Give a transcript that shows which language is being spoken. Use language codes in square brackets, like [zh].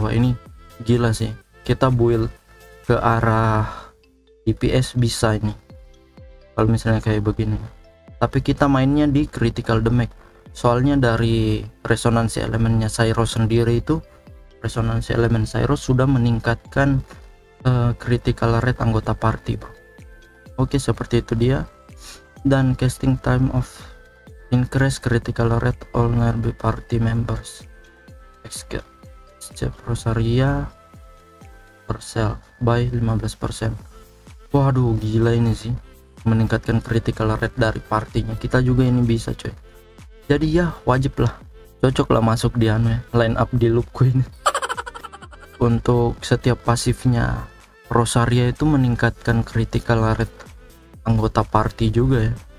[id] Wah ini gila sih, kita build ke arah DPS bisa ini kalau misalnya kayak begini. Tapi kita mainnya di critical damage, soalnya dari resonansi elemennya Syro sendiri itu, resonansi elemen Syro sudah meningkatkan critical rate anggota party, bro. Oke, seperti itu dia. [en] Dan casting time of increase critical rate all nearby party members except Rosaria herself by 15%. [id] Waduh, gila ini sih, meningkatkan critical rate dari partinya kita juga ini bisa, coy. Jadi ya wajib lah, cocok lah masuk di anu ya, line up di loop queen. Untuk setiap pasifnya Rosaria itu meningkatkan critical rate anggota party juga ya.